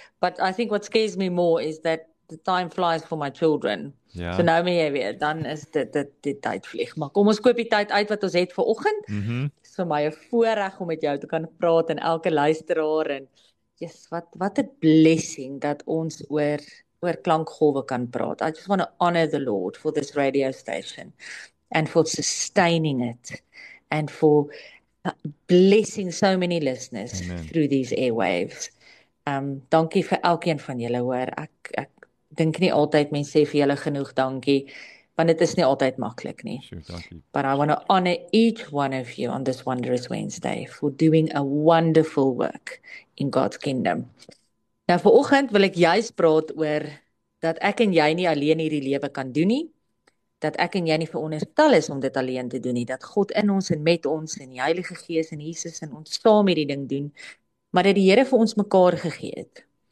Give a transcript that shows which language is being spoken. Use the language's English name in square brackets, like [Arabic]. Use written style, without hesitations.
[English] But I think what scares me more is that the time flies for my children. [Afrikaans] Ja. So nou mee weer, dan is dit tyd vlieg. Maar kom ons koop die tyd uit wat ons het vir oggend. Dis vir my 'n voorreg om met jou te kan praat en elke luisteraar en Jesus, wat 'n blessing dat ons oor klankgolwe kan praat. [English] I just want to honor the Lord for this radio station and for sustaining it and for blessing so many listeners Amen. Through these airwaves. [Afrikaans] Dankie vir elkeen van julle hoor. Ek dink nie altyd mense sê vir julle genoeg dankie, want dit is nie altyd maklik nie. [English] Sure, but I want to honor each one of you on this wondrous Wednesday for doing a wonderful work in God's kingdom. [Afrikaans] Nou vir oggend wil ek juis praat oor dat ek en jy nie alleen hierdie lewe kan doen nie, dat ek en jy nie veronderstel is om dit alleen te doen nie, dat God in ons en met ons en die Heilige Gees en Jesus en ons saam hierdie ding doen, maar dat die Here vir ons mekaar gegee het.